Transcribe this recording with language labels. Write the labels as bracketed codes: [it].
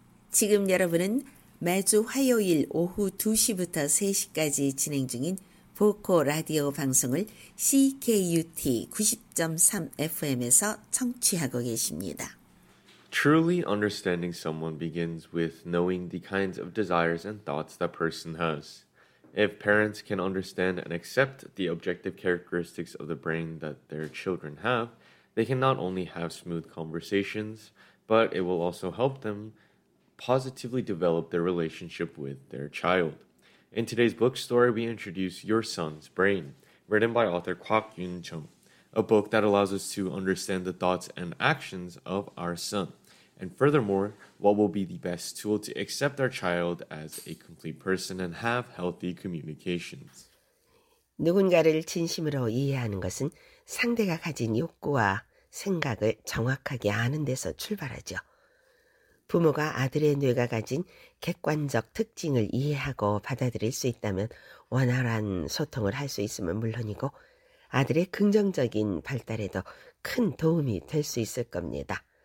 [ko] 지금 여러분은 매주 화요일 오후 2시부터 3시까지 진행 중인 보코 라디오 방송을 CKUT 90.3 FM에서 청취하고 계십니다. [en] Truly understanding someone begins with knowing the kinds of desires and thoughts that person has. If parents can understand and accept the objective characteristics of the brain that their children have, they can not only have smooth conversations, but it will also help them positively develop their relationship with their child. In today's book story, we introduce Your Son's Brain, written by author Kwak Yun-chung, a book that allows us to understand the thoughts and actions of our son, and furthermore, what will be the best tool to accept our child as a complete person and have healthy communications. [ko] 누군가를 진심으로 이해하는 것은 상대가 가진 욕구와 생각을 정확하게 아는 데서 출발하죠. 부모가 아들의 뇌가 가진 객관적 특징을 이해하고 받아들일 수 있다면 원활한 소통을 할 수 있으면 물론이고 아들의 긍정적인 발달에도 큰 도움이 될 수 있을 겁니다.